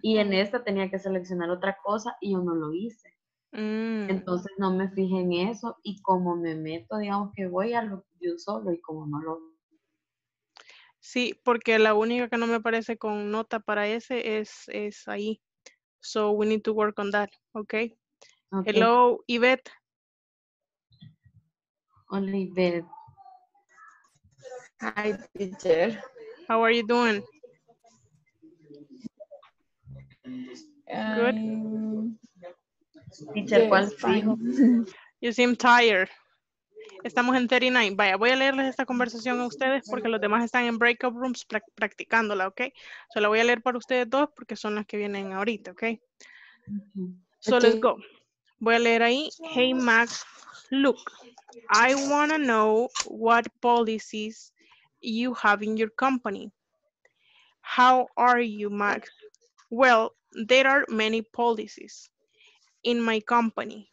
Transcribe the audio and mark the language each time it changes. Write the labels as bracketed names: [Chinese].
[Spanish] Y en esta tenía que seleccionar otra cosa y yo no lo hice. Entonces no me fijé en eso y como me meto, digamos que voy a lo de un solo y como no lo... Sí, porque la única que no me aparece con nota para ese es ahí. [English] So we need to work on that, okay? Okay. Hello, Yvette. [Spanish] Hola, [English] Yvette. Hi, teacher. How are you doing? Good. [Spanish] Teacher, ¿cuál fue? [English] You seem tired. [Spanish] Estamos en 39. Vaya, voy a leerles esta conversación a ustedes porque los demás están en breakout rooms practicándola, ¿ok? So la voy a leer para ustedes dos porque son las que vienen ahorita, ¿ok? [English] So let's go. [Spanish] Voy a leer ahí. [English] Hey, Max, look, I want to know what policies you have in your company. How are you, Max? Well, there are many policies in my company.